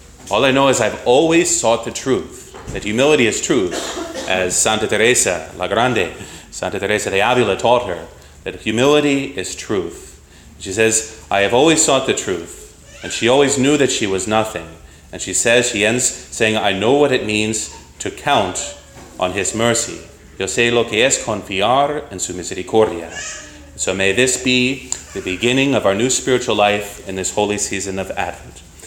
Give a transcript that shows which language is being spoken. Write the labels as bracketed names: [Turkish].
[English] All I know is I've always sought the truth, that humility is truth, as Santa Teresa La Grande, Santa Teresa de Avila taught her, that humility is truth. She says, I have always sought the truth, and she always knew that she was nothing. And she says, she ends saying, I know what it means to count on his mercy. [Spanish] Yo sé lo que es confiar en su misericordia. [English] So may this be the beginning of our new spiritual life in this holy season of Advent.